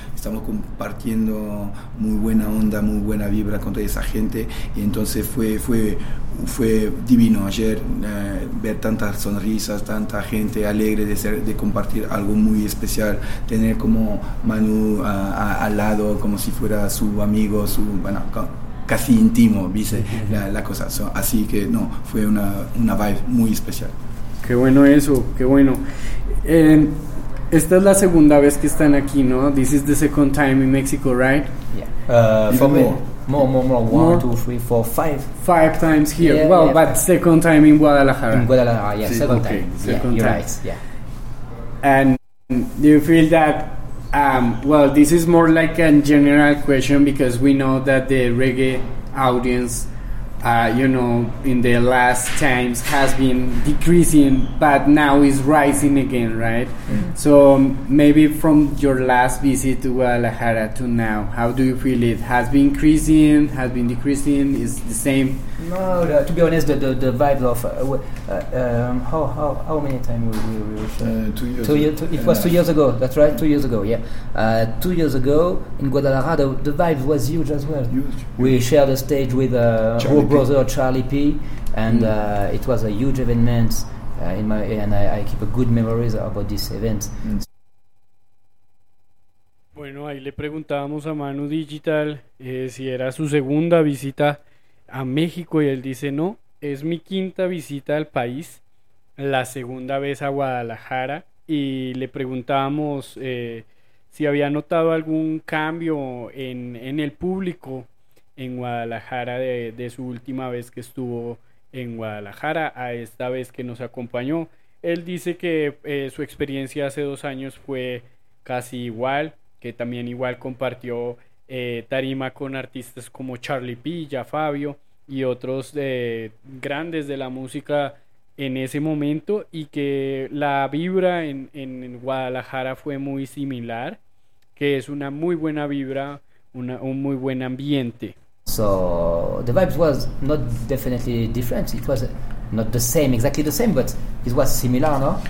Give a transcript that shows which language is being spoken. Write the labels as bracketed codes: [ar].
[es] Estamos compartiendo muy buena onda, muy buena vibra con toda esa gente, y entonces fue divino ayer ver tantas sonrisas, tanta gente alegre de compartir algo muy especial, tener como Manu al lado, como si fuera su amigo, casi íntimo, dice la cosa. Así que no, fue una vibe muy especial. Qué bueno eso, qué bueno. Esta es la segunda vez que están aquí, ¿no? [en] This is the second time in Mexico, right? Yeah. For me, more. 1, 2, 3, 4, 5. 5 times here. Yeah, well, yeah, but second time in Guadalajara. In Guadalajara, yeah, sí. Second time. Okay, second time. Right, yeah. And do you feel that? Well, this is more like a general question, because we know that the reggae audience, in the last times has been decreasing, but now is rising again, right? Mm-hmm. So maybe from your last visit to Guadalajara to now, how do you feel it? Has been increasing? Has been decreasing? Is the same? No, to be honest, the vibes of how many times we were here? 2 years. It was 2 years ago. That's right, 2 years ago. Yeah, 2 years ago in Guadalajara, the vibe was huge as well. Huge. We shared a stage with brother Charlie P, and it was a huge event in my, and I keep a good memories about this event. [es] Bueno, ahí le preguntábamos a Manu Digital si era su segunda visita a México y él dice no, es mi quinta visita al país, la segunda vez a Guadalajara, y le preguntábamos si había notado algún cambio en el público en Guadalajara de su última vez que estuvo en Guadalajara a esta vez que nos acompañó. Él dice que su experiencia hace 2 años fue casi igual, que también igual compartió tarima con artistas como Charlie P, Ya Fabio y otros grandes de la música en ese momento, y que la vibra en Guadalajara fue muy similar, que es una muy buena vibra, un muy buen ambiente. [en] So the vibes was not definitely different. It was not the same, exactly the same, but it was similar, no?